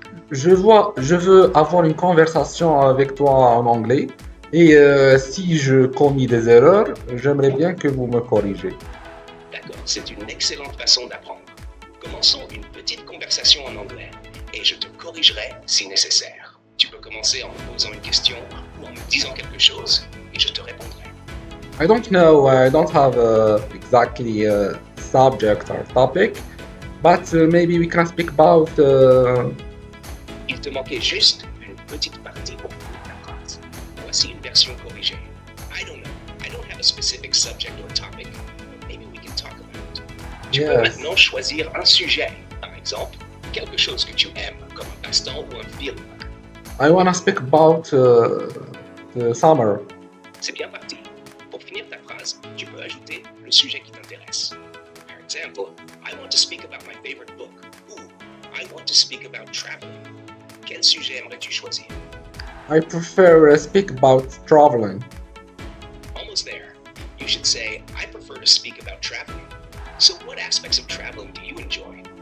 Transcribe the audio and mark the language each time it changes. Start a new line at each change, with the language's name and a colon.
French: Je vois, je veux avoir une conversation avec toi en anglais, et si je commets des erreurs, j'aimerais bien que vous me corrigez. D'accord, c'est une excellente façon d'apprendre. Commençons une petite conversation en anglais et je te corrigerai si nécessaire. Tu peux commencer en me posant une question ou en me disant quelque chose et je te répondrai.
English: I don't know, I don't have exactly a subject or topic, but maybe we can speak about...
French: Il te manquait juste une petite partie pour la phrase. Voici une version corrigée.
English: I don't know, I don't have a specific subject or topic, but maybe we can talk about it.
French: Tu peux maintenant choisir un sujet, par exemple, quelque chose que tu aimes, comme un passe-temps ou un film.
English: I want to speak about the summer.
French: C'est bien parti. Pour finir ta phrase, tu peux ajouter le sujet qui t'intéresse.
English: For example, I want to speak about my favorite book. Ou, I want to speak about traveling.
French: Quel sujet aimerais-tu choisir?
English: I prefer to speak about traveling. Almost there. You should say, I prefer to speak about traveling. So what aspects of traveling do you enjoy?